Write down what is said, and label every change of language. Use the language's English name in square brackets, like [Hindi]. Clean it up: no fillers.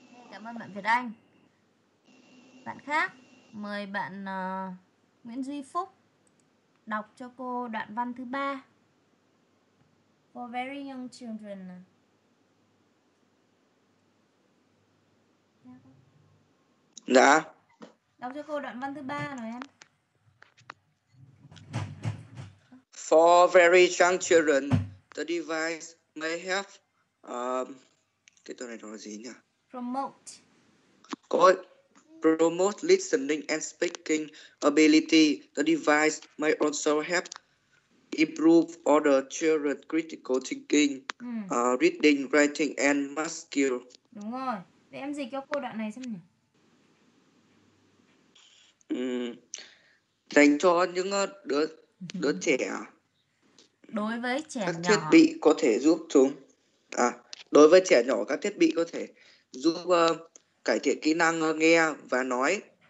[Vietnamese] Cảm ơn bạn Việt Anh. Bạn khác, mời bạn Nguyễn Duy Phúc đọc cho cô đoạn văn thứ 3. [English] For very young children. [Vietnamese] Dạ. Đọc cho cô đoạn văn thứ 3 nào em. [English] For very young children, the device may help. [Vietnamese] Cái tờ này nó là gì nhỉ? [English] Promote listening and speaking ability. The device may also help improve other children's critical thinking, reading, writing, and math skill. [Vietnamese] Đúng rồi. Để em dịch cho cô đoạn này xem nhỉ? Dành cho những đứa trẻ. Đối với trẻ các nhỏ. Các thiết bị có thể giúp chúng. Đối với trẻ nhỏ, các thiết bị có thể giúp cải thiện kỹ năng nghe và nói.